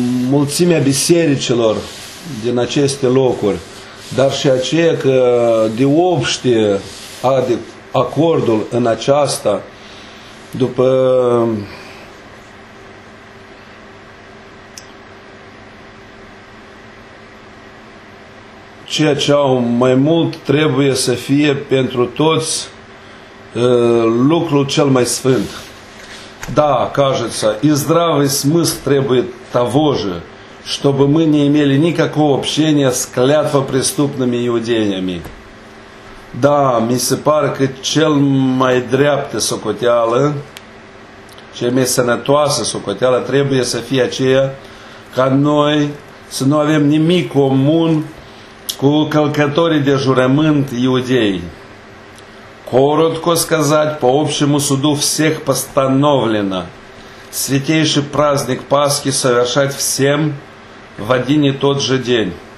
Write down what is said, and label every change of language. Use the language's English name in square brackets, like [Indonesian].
[Romanian] mulțimea bisericilor din aceste locuri, dar și aceea că de obște acordul în aceasta, după ceea ce au mai mult trebuie să fie pentru toți lucrul cel mai sfânt. [Russian] Да, кажется, и здравый смысл требует того же, чтобы мы не имели никакого общения с клятвопреступными иудеями. [Romanian] Da, mi se pare că cel mai dreaptă socoteală, cea mai sănătoasă socoteală, trebuie să fie aceea ca noi să nu avem nimic comun cu călcătorii de jurământ iudei. [Russian] Коротко сказать, по общему суду всех постановлено святейший праздник Пасхи совершать всем в один и тот же день.